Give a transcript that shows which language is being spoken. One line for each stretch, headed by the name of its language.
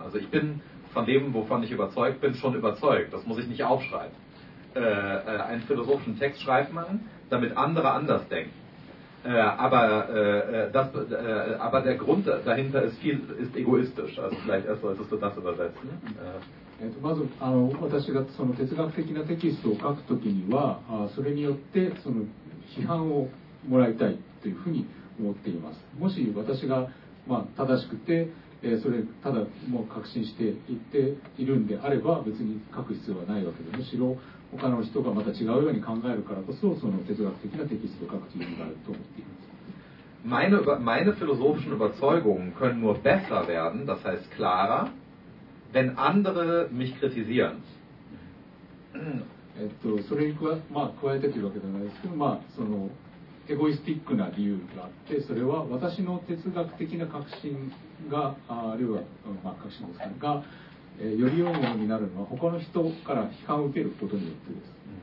German: Also ich bin von dem, wovon ich überzeugt bin, schon überzeugt. Das muss ich nicht aufschreiben. Einen philosophischen Text schreibt man, damit andere anders denken. Aber der Grund dahinter ist egoistisch. Also vielleicht erst solltest du das übersetzen.
Japanese: まず私がその哲学的なテキストを書くときには、それによってその批判をもらいたいというふうに思っています。もし私が、まあ、正しくて、それただもう確信していっているんであれば別に書く必要はないわけで、むしろ他の人がまた違うように考えるからこそその哲学的なテキストを書くという意味があると思っています。
German: Meine philosophischen Überzeugungen können nur besser werden, das heißt klarer, wenn andere mich kritisieren.
Japanese: それに加え、まあ、加えてというわけではないですけど、まあ、そのエゴイスティックな理由があって、それは私の哲学的な確信が、あるいは、まあ、確信ですが、より良いものになるのは他の人から批判を受けることによってです。